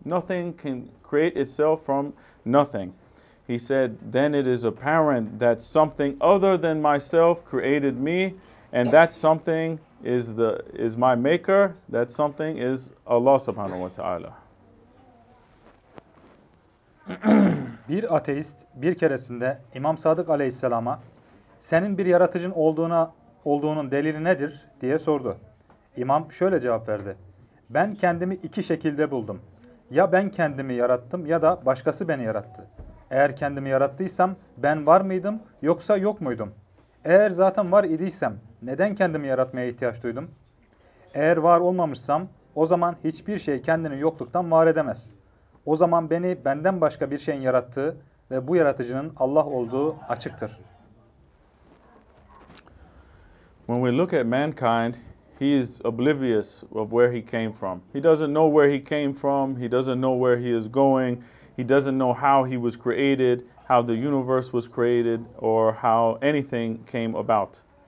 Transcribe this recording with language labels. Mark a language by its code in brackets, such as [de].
[en] Nothing can create itself from nothing. He said, then it is apparent that something other than myself created me, and that something is my maker, that something is Allah subhanahu wa ta'ala. [tr] Bir ateist bir keresinde İmam Sadık aleyhisselama, senin bir yaratıcın olduğunun delili nedir diye sordu. İmam şöyle cevap verdi. Ben kendimi iki şekilde buldum. Ya ben kendimi yarattım ya da başkası beni yarattı. Eğer kendimi yarattıysam ben var mıydım yoksa yok muydum? Eğer zaten var idiysem neden kendimi yaratmaya ihtiyaç duydum? Eğer var olmamışsam o zaman hiçbir şey kendini yokluktan var edemez. O zaman beni benden başka bir şeyin yarattığı ve bu yaratıcının Allah olduğu açıktır. [en] When we look at mankind, he is oblivious of where he came from. He doesn't know where he came from, he doesn't know where he is going. He doesn't know how he was created, how the universe was created, or how anything came about.